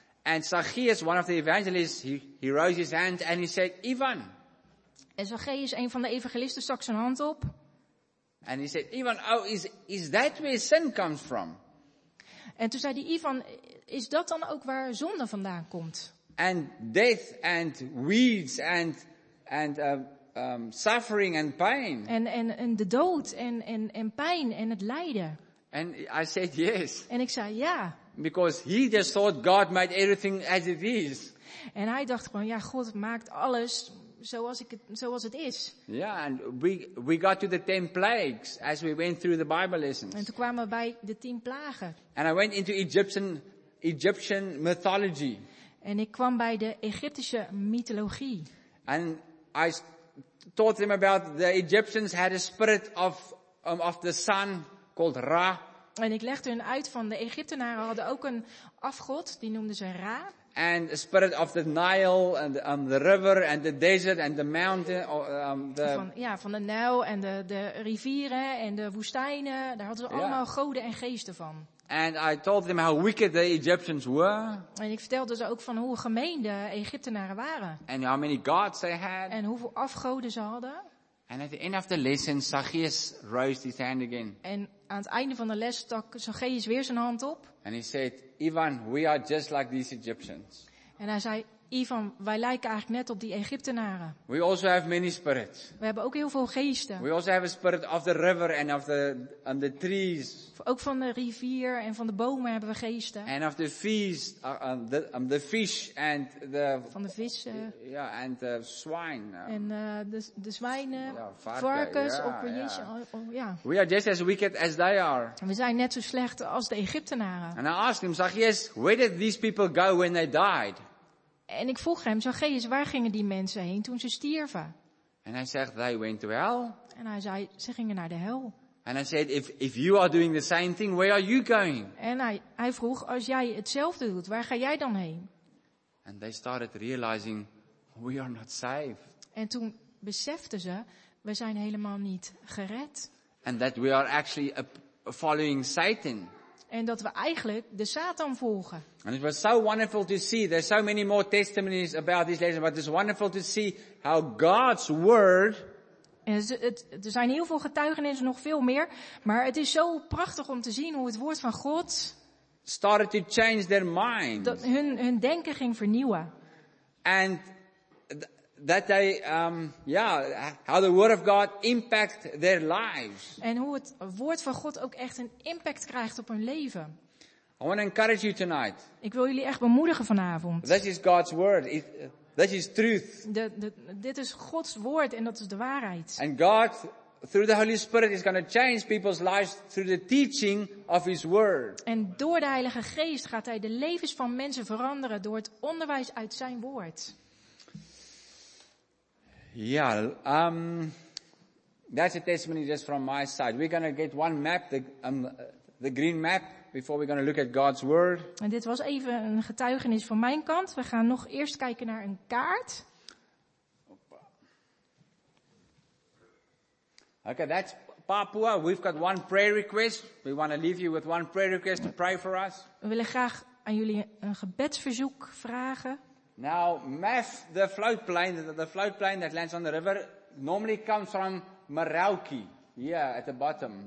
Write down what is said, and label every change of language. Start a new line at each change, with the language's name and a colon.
English: And Zacchaeus, one of the evangelists, he rose his hand and he said, Ivan.
Dutch: En Zacchaeus, een van de evangelisten, stak zijn hand op.
English: And he said, Ivan, oh, is that where sin comes from?
Dutch: En toen zei die Ivan, is dat dan ook waar zonde vandaan komt?
English: And death and weeds and suffering and pain.
Dutch: En de dood en pijn en het lijden.
English: And I said yes.
Dutch: En ik zei ja.
English: Because he just thought God made everything as it is.
Dutch: En hij dacht gewoon, ja, God maakt alles zoals het is.
English: Ja, and we got to the 10 plagues as we went through the Bible lessons.
Dutch: En toen kwamen we bij de 10 plagen.
English: And I went into Egyptian mythology.
Dutch: En ik kwam bij de Egyptische mythologie.
English: And I taught them about the Egyptians had a spirit of the sun called Ra.
Dutch: En ik legde hun uit van de Egyptenaren hadden ook een afgod, die noemden ze Ra.
English: And the spirit of the Nile and the river and the desert and the mountain.
Dutch: Van de Nijl en de rivieren en de woestijnen. Daar hadden ze allemaal goden en geesten van.
English: And I told them how wicked the Egyptians were.
Dutch: En ik vertelde ze ook van hoe gemeen de Egyptenaren waren.
English: And how many gods they had.
Dutch: En hoeveel afgoden ze hadden.
English: And at the end of the lesson, Zacchaeus raised his hand again.
Dutch: En aan het einde van de les stak Zacchaeus weer zijn hand op.
English: And he said, Ivan, we are just like these Egyptians.
Dutch: En hij zei, Ivan, wij lijken eigenlijk net op die Egyptenaren.
English: We also have many spirits.
Dutch: We hebben ook heel veel geesten.
English: We also have a spirit of the river and of the trees.
Dutch: Ook van de rivier en van de bomen hebben we geesten.
English: And of the feast, the fish and the.
Dutch: Van de vissen.
English: Ja, yeah, and the swine.
Dutch: En de zwijnen, yeah, varkens, yeah, op Jezus. Yeah.
English: We are just as wicked as they are.
Dutch: En we zijn net zo slecht als de Egyptenaren.
English: And I asked him, Zacchaeus, where did these people go when they died?
Dutch: En ik vroeg hem, Zacchaeus, waar gingen die mensen heen toen ze stierven?
English: And I said, they went to hell.
Dutch: En hij zei, ze gingen naar de hel.
English: And I said, if you are doing the same thing, where are you going?
Dutch: En hij vroeg, als jij hetzelfde doet, waar ga jij dan heen?
English: And they started realizing, we are not saved.
Dutch: En toen beseften ze, we zijn helemaal niet gered.
English: And that we are actually following Satan.
Dutch: En dat we eigenlijk de Satan volgen.
English: And it was so wonderful to see. There's so many more testimonies about this lesson, but it's wonderful to see how God's word.
Dutch: En er zijn heel veel getuigenissen, nog veel meer, maar het is zo prachtig om te zien hoe het woord van God
English: started to change their mind.
Dutch: Dat hun denken ging vernieuwen.
English: And that they, how the word of God impact their lives.
Dutch: En hoe het woord van God ook echt een impact krijgt op hun leven.
English: I want to encourage you tonight.
Dutch: Ik wil jullie echt bemoedigen vanavond.
English: This is God's word. This is truth.
Dutch: Dit is Gods woord en dat is de waarheid.
English: And God, through the Holy Spirit, is going to change people's lives through the teaching of His word.
Dutch: En door de Heilige Geest gaat Hij de levens van mensen veranderen door het onderwijs uit Zijn woord.
English: Ja, that's a testimony just from my side. We're going to get one map, the green map, before we're going to look at God's word.
Dutch: En dit was even een getuigenis van mijn kant. We gaan nog eerst kijken naar een kaart.
English: Okay, that's Papua. We've got one prayer request. We want to leave you with one prayer request to pray for us.
Dutch: We willen graag aan jullie een gebedsverzoek vragen.
English: Now, MAF, the floatplane that lands on the river, normally comes from Merauke, at the bottom.